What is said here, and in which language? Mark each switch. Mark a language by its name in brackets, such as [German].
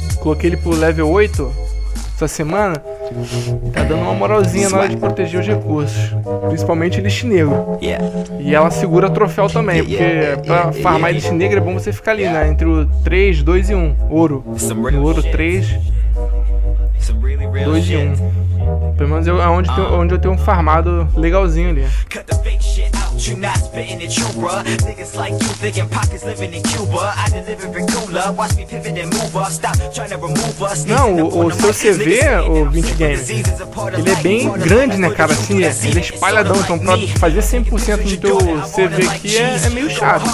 [Portuguese] Coloquei ele pro level 8 essa semana. Tá dando uma moralzinha na hora de proteger os recursos, principalmente elixir negro. E ela segura troféu também, porque pra farmar elixir negro é bom você ficar ali, né? Entre o 3, 2 e 1, ouro. No ouro 3, 2 e 1. Pelo menos eu, onde eu tenho um farmado legalzinho ali. [English] Cut the fake shit out, you not spitting it, you bruh. Niggas like you thinking pockets living in Cuba. I deliver big cooler, watch me pivot and move up. Stop trying to remove us. [Portuguese] Não, o seu CV, o 20 Games, ele é bem grande, né, cara? Assim, ele é espalhadão. Então, pra fazer 100% do teu CV aqui é meio chato.